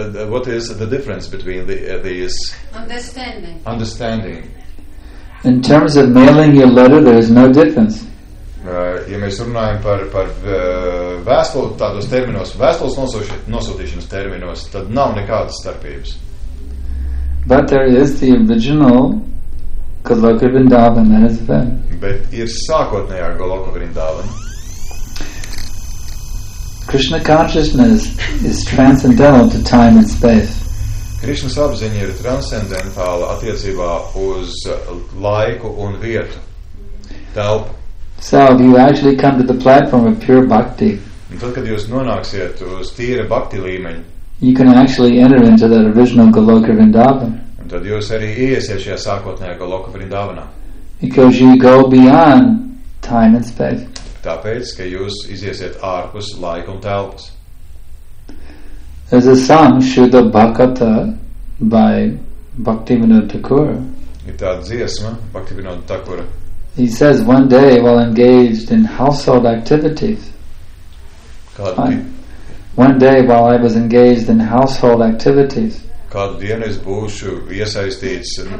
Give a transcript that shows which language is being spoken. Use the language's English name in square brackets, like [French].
[English] What is the difference between these? Understanding. In terms of mailing your letter, there is no difference. [Latvian] Ja mēs runājam par vēstuli, tādos terminos, vēstules nosūtīšanas terminos, tad nav nekādas starpības. [English] But there is the original Goloka Vrindavan, that is then. [Latvian] Bet ir sākotnējā Goloka Vrindavan. [English] Krishna consciousness is transcendental to time and space. [Latvian] Krishna's apziņa ir transcendentāla attiecībā uz laiku un vietu. Telpu. [English] So if you actually come to the platform of pure bhakti. [Latvian] Un tad, kad jūs nonāksiet uz tīra bhakti līmeņa. [English] You can actually enter into that original Goloka Vrindavan. [Latvian] Un tad jūs arī ieiesiet šajā sākotnējā Goloka Vrindavanā. [English] Because you go beyond time and space. [Latvian] Tāpēc, ka jūs iziesiet ārpus laika un telpas. [English] There's a song, Shuddha Bhakata, by Bhaktivinoda Thakur. [Latvian] Ir tāda dziesma, Bhaktivinoda Thakura. [English] He says, one day while engaged in household activities. One day while I was engaged in household activities. [Latvian] Kādu dienu es būšu iesaistīts?